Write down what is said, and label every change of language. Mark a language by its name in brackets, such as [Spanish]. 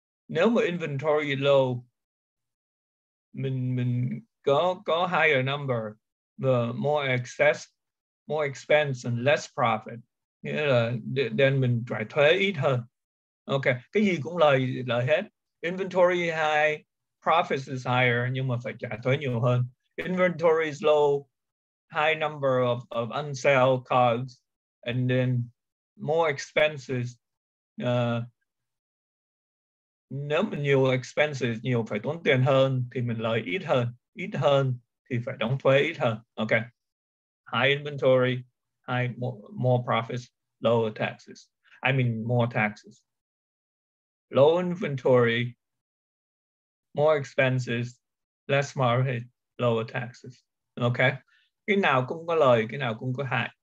[Vietnamese] Nếu mà [English] inventory low, [Vietnamese] mình có [English] higher number, the more expense and less profit. [Vietnamese] Nghĩa là then mình trả thuế ít hơn. Okay, cái gì cũng lời hết. [English] Inventory high, profits is higher, [Vietnamese] nhưng mà phải trả thuế nhiều hơn. [English] Inventory is low, high number of unsell cards, and then more expenses. [Vietnamese] Nếu mà nhiều expenses, nhiều phải tốn tiền hơn, thì mình lời ít hơn thì phải đóng thuế ít hơn. Okay. [English] High inventory, high more profits, lower taxes. I mean more taxes. Low inventory, more expenses, less profit, lower taxes. Okay. [Vietnamese] Cái nào cũng có lời, cái nào cũng có hại.